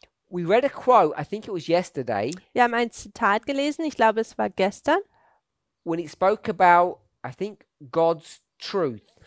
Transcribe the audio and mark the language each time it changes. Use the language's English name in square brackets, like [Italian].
[English] We read a quote, I think it was yesterday. [German] Wir haben ein Zitat gelesen, ich glaube es war gestern. [English] When it spoke about, I think, God's truth.